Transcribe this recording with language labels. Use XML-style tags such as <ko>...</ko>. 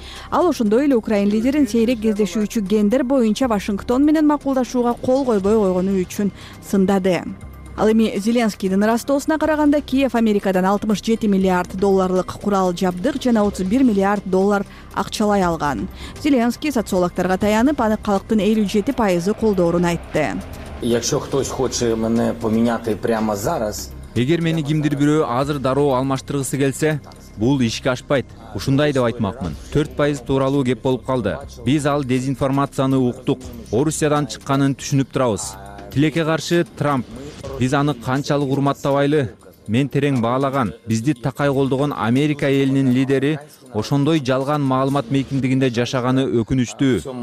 <ky>Ал ошондой эле Украин лидерин сейрек кездешүүчү гендер боюнча Вашингтон менен макулдашууга кол койбой койгону үчүн сындады. Ал эми Зеленскийдин ырастоосуна караганда Киев Америкадан 67 миллиард долларлык курал жабдык жана 31 миллиард доллар акчалай алган. Зеленский социологторго таянып, аны калктын 57 пайызы колдоорун айтты.</ky> <uk>Якщо хтось хоче мене поміняти прямо зараз,</uk> <ky>егер мени кимдир бирөө азыр дароо алмаштыргысы келсе, бул ишке ашпайт. Ушундай деп айтмакмын. 4% тууралуу кеп болуп калды. Биз ал дезинформацияны уктук. Орусиядан чыкканын түшүнүп турабыз. Тилекке каршы Трамп. Биз аны канчалык урматтабайлы? Мен терең баалаган, бизди такай колдогон Америка элинин лидери ошондой жалган маалымат мейкиндигинде жашаганы өкүнүчтүү.</ky>